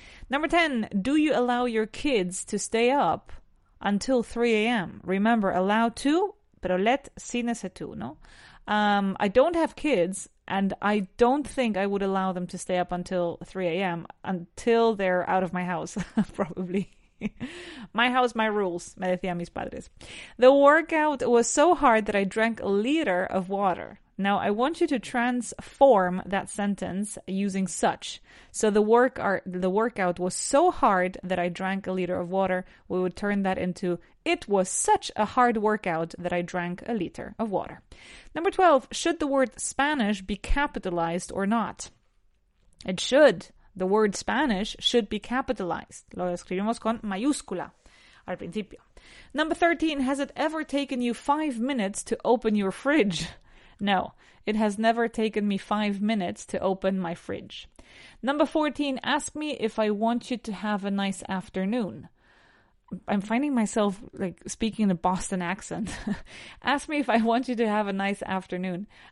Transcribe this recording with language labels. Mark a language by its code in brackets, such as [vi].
[en] Number 10, do you allow your kids to stay up until 3 a.m.? Remember, allow to, pero let sine se tu, no? I don't have kids, and I don't think I would allow them to stay up until 3 a.m., until they're out of my house, probably. My house, my rules, [es] me decían mis padres. [en] The workout was so hard that I drank a liter of water. Now, I want you to transform that sentence using such. So the workout was so hard that I drank a liter of water. We would turn that into, it was such a hard workout that I drank a liter of water. Number 12, should the word Spanish be capitalized or not? It should. The word Spanish should be capitalized. [es] Lo escribimos con mayúscula al principio. [en] Number 13, has it ever taken you 5 minutes to open your fridge? No, it has never taken me 5 minutes to open my fridge. Number 14, ask me if I want you to have a nice afternoon. I'm finding myself like speaking in a Boston accent. Ask me if I want you to have a nice afternoon.